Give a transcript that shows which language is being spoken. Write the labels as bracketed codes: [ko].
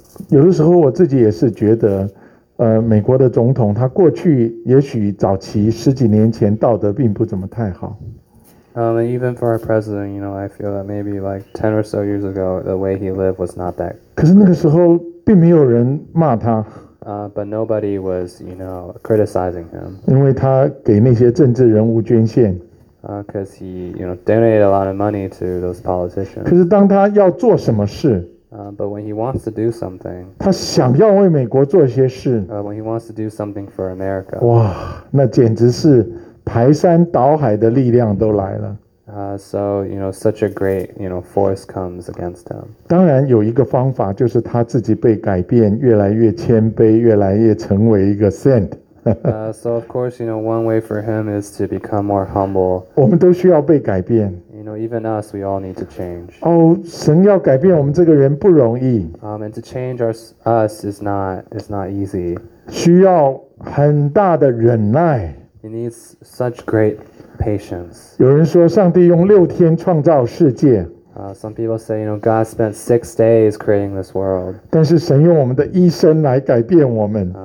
[zh] 有的时候我自己也是觉得，美国的总统他过去也许早期十几年前道德并不怎么太好。 [en] And even for our president, you know, I feel that maybe like 10 or so years ago, the way he lived was not that good. [zh] 可是那个时候并没有人骂他。 [en] But nobody was, you know, criticizing him. [zh] 因为他给那些政治人物捐献。 [en] Because he, you know, donated a lot of money to those politicians. [zh] 可是当他要做什么事。 [en] But when he wants to do something, [zh] 他想要为美国做些事。 [en] When he wants to do something for America, [zh] 哇，那简直是排山倒海的力量都来了。 [en] So you know, such a great you know force comes against him. [zh] 当然有一个方法，就是他自己被改变，越来越谦卑，越来越成为一个 saint。 [en] So of course, you know, one way for him is to become more humble. [zh] 我们都需要被改变。 [en] You know, even us, we all need to change. [zh] 哦，神要改变我们这个人不容易。 [en] And to change us is not easy. [zh] 需要很大的忍耐。 [en] It needs such great patience. [zh] 有人说上帝用六天创造世界。 [en] Some people say, you know, God spent 6 days creating this world. [zh] 但是神用我们的一生来改变我们。